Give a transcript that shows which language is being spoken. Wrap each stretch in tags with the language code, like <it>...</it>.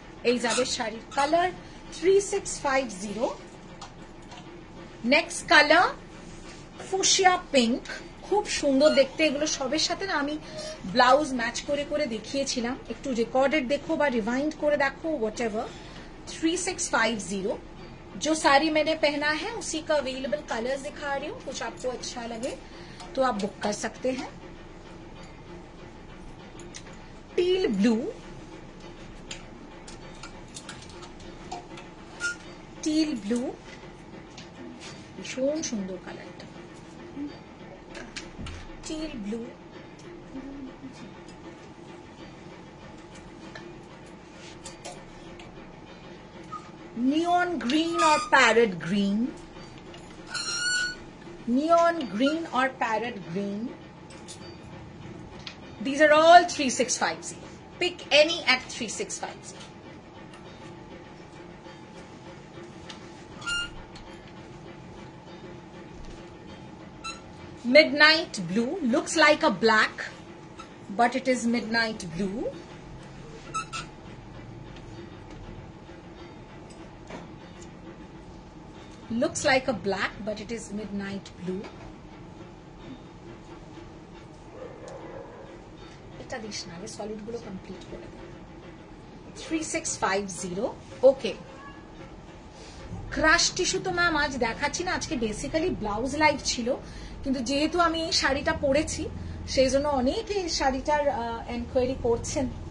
<bn>এই যাবে শাড়ির colour 3650। Next colour fuchsia pink, খুব সুন্দর দেখতে এগুলো সবের সাথে। না আমি ব্লাউজ ম্যাচ করে করে দেখিয়েছিলাম, একটু রেকর্ডেড দেখো বা রিভাইন্ড করে দেখো, হোয়াট এভার।</bn> <hi>3650 जो सारी मैंने पहना है उसी का अवेलेबल कलर्स दिखा रही हूँ, कुछ आपको अच्छा लगे तो आप बुक कर सकते हैं। टील ब्लू, टील ब्लू भीषण सुंदर colour, teal blue</hi> <en>neon green or parrot green,</en> <hi>neon green or parrot green,</hi> <en>These are all 365Z. Pick any at 365Z. Midnight blue looks like a black, but it is midnight blue. Looks like a black, but it is midnight blue.</en> <bn>এটা this না, আমি সলিডগুলো complete করে দেব। 3650, ওকে। Crush tissue তো ma'am আজ দেখাচ্ছি না, আজকে basically blouse live ছিল, কিন্তু যেহেতু আমি এই শাড়িটা পরেছি সেই জন্য অনেকে শাড়িটার এনকোয়ারি করছেন।</bn>